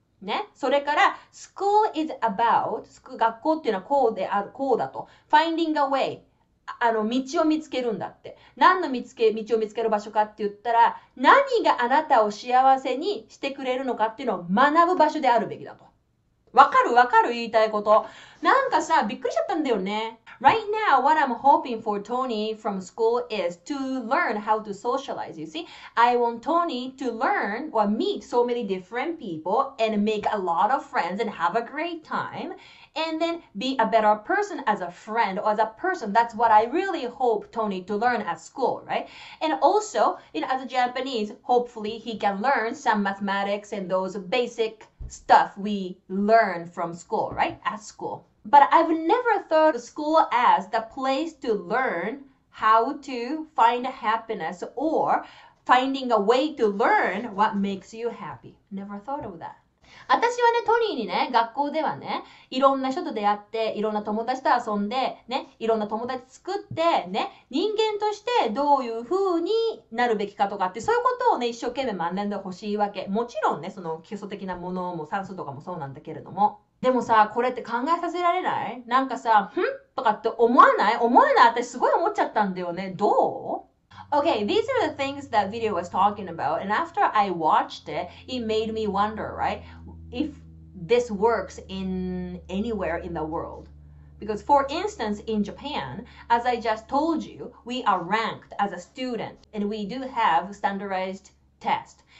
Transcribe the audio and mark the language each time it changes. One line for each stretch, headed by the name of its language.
Japanese: ね、それから
English: school is about
Japanese: 学校っていうのはこうである、こうだと
English: finding a way、
Japanese: あの道を見つけるんだって。何の見つけ道を見つける場所かって言ったら、何があなたを幸せにしてくれるのかっていうのを学ぶ場所であるべきだと。わかるわかる、言いたいこと。なんかさ、びっくりしちゃったんだよね。
English: Right now what I'm hoping for Tony from school is to learn how to socialize. You see, I want Tony to learn or meet so many different people and make a lot of friends and have a great time and then be a better person as a friend or as a person. That's what I really hope Tony to learn at school, right? And also, you know, as a Japanese, hopefully he can learn some mathematics and those basicStuff we learn from school, right? At school. But I've never thought of school as the place to learn how to find happiness or finding a way to learn what makes you happy. Never thought of that.
Japanese: 私はね、トニーにね、学校ではね、いろんな人と出会って、いろんな友達と遊んで、ね、いろんな友達作って、ね、人間としてどういう風になるべきかとかって、そういうことをね、一生懸命学んでほしいわけ。もちろんね、その基礎的なものも算数とかもそうなんだけれども。でもさ、これって考えさせられない？なんかさ、ん？とかって思わない？思わない？私すごい思っちゃったんだよね。どう？
English: Okay, these are the things that video was talking about, and after I watched it, it made me wonder, right? If this works in anywhere in the world. Because, for instance, in Japan, as I just told you, we are ranked as a student, and we do have standardized tests.